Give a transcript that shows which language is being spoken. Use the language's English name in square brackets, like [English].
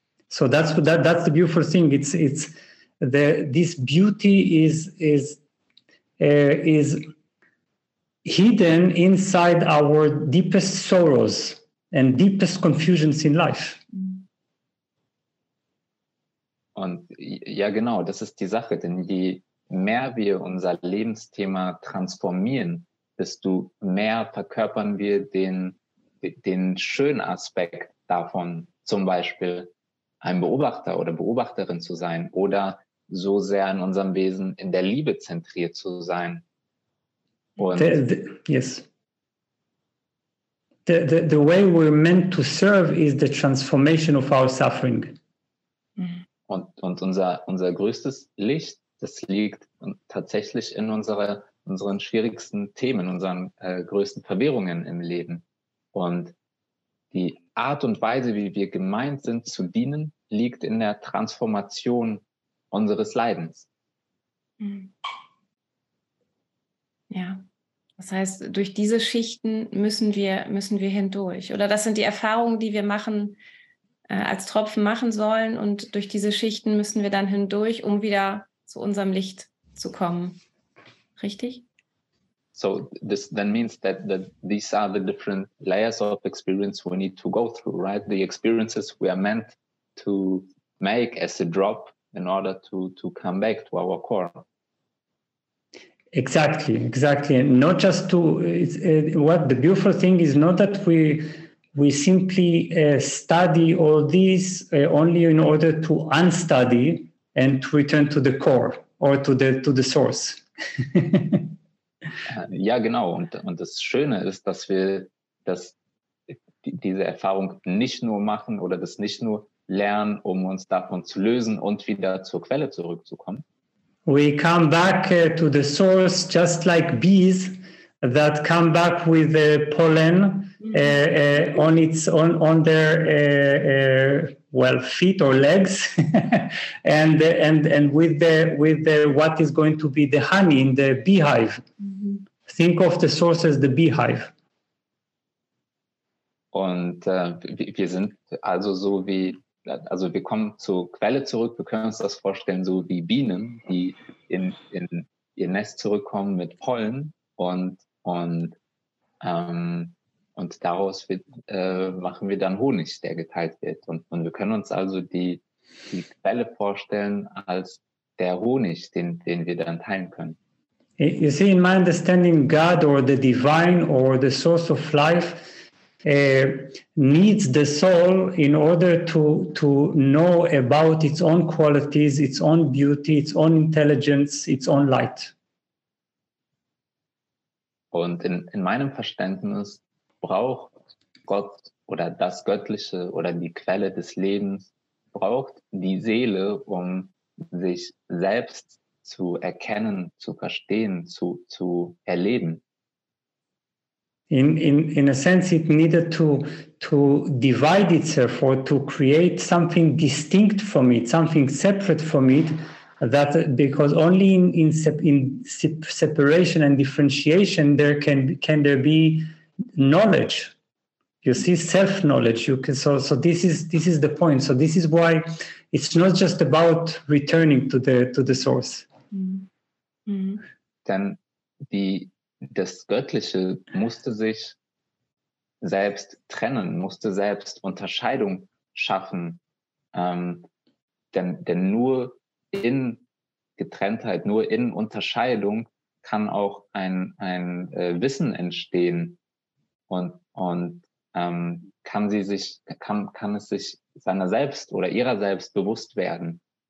[English] So that's the beautiful thing. This beauty is hidden inside our deepest sorrows and deepest confusions in life. [German] Und ja, genau, das ist die Sache, denn je mehr wir unser Lebensthema transformieren, desto mehr verkörpern wir den schönen Aspekt davon, zum Beispiel ein Beobachter oder Beobachterin zu sein oder so sehr in unserem Wesen in der Liebe zentriert zu sein. [English] Und The way we're meant to serve is the transformation of our suffering. [German] Und unser größtes Licht, das liegt tatsächlich in unseren schwierigsten Themen, unseren größten Verwirrungen im Leben. Und die Art und Weise, wie wir gemeint sind zu dienen, liegt in der Transformation unseres Leidens. Ja, das heißt, durch diese Schichten müssen wir hindurch. Oder das sind die Erfahrungen, die wir machen, als Tropfen machen sollen, und durch diese Schichten müssen wir dann hindurch, um wieder zu unserem Licht zu kommen. Richtig? [English] So this then means that these are the different layers of experience we need to go through, right? The experiences we are meant to make as a drop in order to come back to our core. Exactly. Not just to, what the beautiful thing is, not that we simply study all this only in order to unstudy and to return to the core or to the source. [German] Ja, genau. Und das Schöne ist, dass wir diese Erfahrung nicht nur machen oder das nicht nur lernen, um uns davon zu lösen und wieder zur Quelle zurückzukommen. [English] We come back to the source just like bees that come back with the pollen on their feet or legs, and with the what is going to be the honey in the beehive. Mm-hmm. Think of the source as the beehive. [German] Und wir sind also so wie, also wir kommen zur Quelle zurück. Wir können uns das vorstellen, so wie Bienen, die in ihr Nest zurückkommen mit Pollen und daraus machen wir dann Honig, der geteilt wird. Und wir können uns also die Quelle vorstellen als der Honig, den wir dann teilen können. [English] You see, in my understanding, God or the divine or the source of life needs the soul in order to know about its own qualities, its own beauty, its own intelligence, its own light. [German] Und in meinem Verständnis braucht Gott oder das Göttliche oder die Quelle des Lebens, braucht die Seele, um sich selbst zu erkennen, zu verstehen, zu erleben. [English] In a sense, it needed to divide itself or to create something distinct from it, something separate from it, that because only in separation and differentiation there can there be knowledge. You see, self-knowledge. You can, so this is the point. So this is why it's not just about returning to the source. Mm. Mm. [German] Denn die, das Göttliche musste sich selbst trennen, musste selbst Unterscheidung schaffen. Denn nur in Getrenntheit, nur in Unterscheidung kann auch ein Wissen entstehen und kann sie sich, kann es sich seiner selbst oder ihrer selbst bewusst werden.